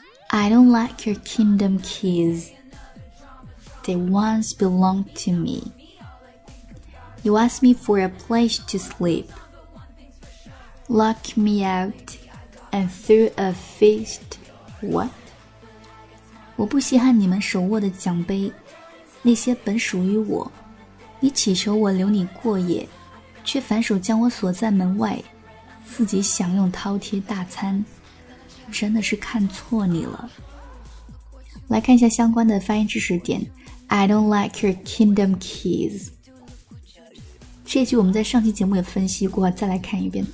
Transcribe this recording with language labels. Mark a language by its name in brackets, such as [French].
[English] I don't like your kingdom keys. They once belonged to me. You asked me for a place to sleep, locked me out, and threw a fist. What? [Chinese] 我不稀罕你们手握的奖杯，那些本属于我，你祈求我留你过夜，却反手将我锁在门外，自己享用饕餮大餐，真的是看错你了。来看一下相关的发音知识点。 [English] I don't like your kingdom keys， [Chinese] 这句我们在上期节目也分析过，再来看一遍。